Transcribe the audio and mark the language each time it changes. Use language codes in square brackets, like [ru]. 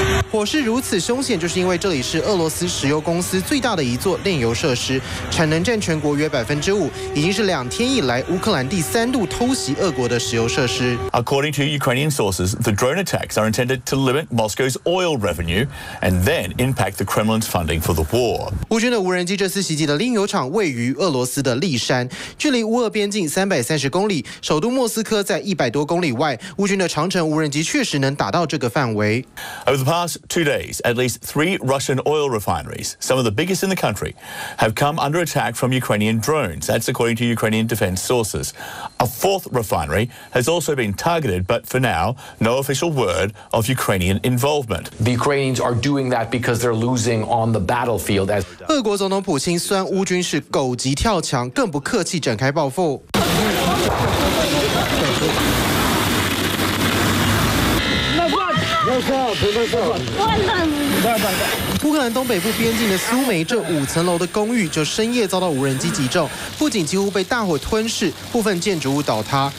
[zh] 火势如此凶险，就是因为这里是俄罗斯石油公司最大的一座炼油设施，产能占全国约5%，已经是两天以来乌克兰第三度偷袭俄国的石油设施。 [en] According to Ukrainian sources, the drone attacks are intended to limit Moscow's oil revenue and then impact the Kremlin's funding for the war. [zh] 乌军的无人机这次袭击的炼油厂位于俄罗斯的利山，距离乌俄边境330公里，首都莫斯科在100多公里外。乌军的长城无人机确实能打到这个范围。 [en] 2 days, at least 3 Russian oil refineries, some of the biggest in the country, have come under attack from Ukrainian drones. That's according to Ukrainian defense sources. A 4th refinery has also been targeted, but for now, no official word of Ukrainian involvement. The Ukrainians are doing that because they're losing on the battlefield. [zh] 俄国总统普京酸乌军是狗急跳墙，更不客气展开报复。乌克兰东北部边境的苏梅，这5层楼的公寓就深夜遭到无人机击中，不仅几乎被大火吞噬，部分建筑物倒塌。